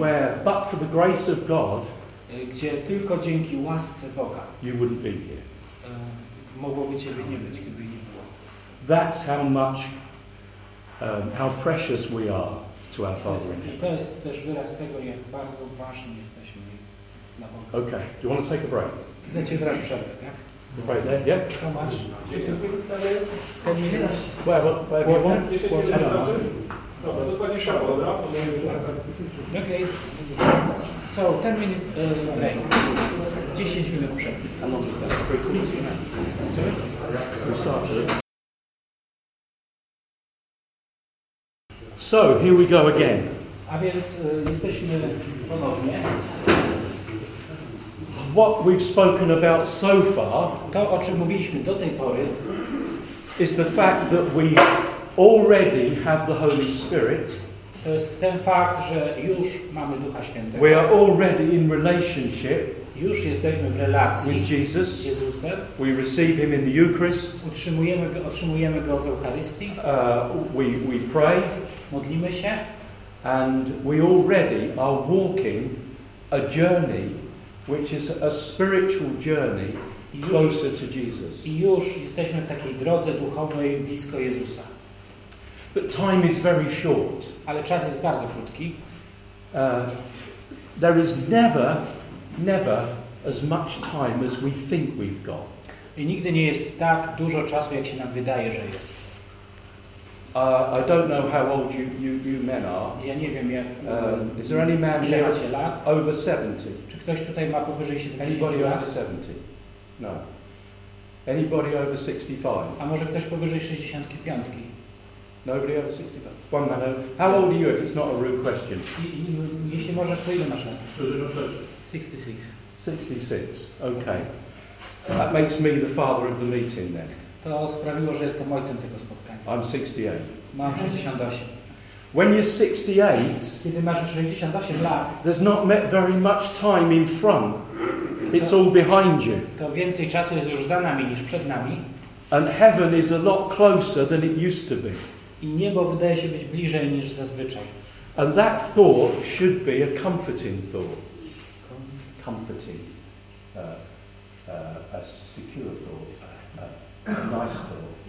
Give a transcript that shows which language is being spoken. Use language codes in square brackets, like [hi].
[en] Where, but for the grace of God, [pl] gdzie tylko dzięki łasce Boga, [en] you wouldn't be here. [pl] Mogłoby ciebie nie być, gdyby nie było. [en] That's how much. How precious we are to our Father in heaven. [pl] To jest też wyraz tego, jak bardzo ważni jesteśmy dla Boga. [en] Okay. Do you want to take a break? [pl] Chcecie teraz przerwę, tak? [en] Right there, yeah? How much? 10 minutes? 10 minutes? Where? Where? 10 minutes? 10 minutes? [pl] To pani szabła, da? [en] Okay. So, 10 minutes break. [pl] 10 minut przerwy. [en] We'll start to... So, here we go again. [pl] A więc jesteśmy ponownie. [en] What we've spoken about so far, [pl] to, o czym mówiliśmy do tej pory, [en] is the fact that we already have the Holy Spirit. [pl] To jest ten fakt, że już mamy Ducha Świętego. [en] We are already in relationship. [pl] Już jesteśmy w relacji [en] with Jesus. [pl] Z Jezusem. [en] We receive Him in the Eucharist. [pl] Otrzymujemy go w Eucharystii. [en] We pray. [pl] Modlimy się. [en] And we already are walking a journey, which is a spiritual journey closer to Jesus. [pl] I już jesteśmy w takiej drodze duchowej blisko Jezusa. [en] But time is very short. [pl] Ale czas jest bardzo krótki. [en] There is never as much time as we think we've got. [pl] I nigdy nie jest tak dużo czasu, jak się nam wydaje, że jest. [en] I don't know how old you men are. [pl] Ja nie wiem, jak [en] is there any man [pl] ile macie lat? [en] Over 70. [pl] Czy ktoś tutaj ma powyżej 70 [en] anybody [pl] lat? [en] Over 70? No. Anybody over 65? [pl] A może ktoś powyżej 65? [en] Nobody over 65. One man over. How old are you if it's not a rude question? [pl] Jeśli możesz, to ile masz lat? [en] 66. 66. Okay. That makes me the father of the meeting then. [pl] To sprawiło, że jestem ojcem tego spotkania. [en] I'm 68. [pl] Mam 68. [en] When you're 68, [pl] kiedy masz 68 lat, [en] there's not met very much time in front. It's all behind you. [pl] To więcej czasu jest już za nami niż przed nami. [en] And heaven is a lot closer than it used to be. [pl] I niebo wydaje się być bliżej niż zazwyczaj. [en] And that thought should be a comforting thought. Comforting. A secure thought. A nice thought.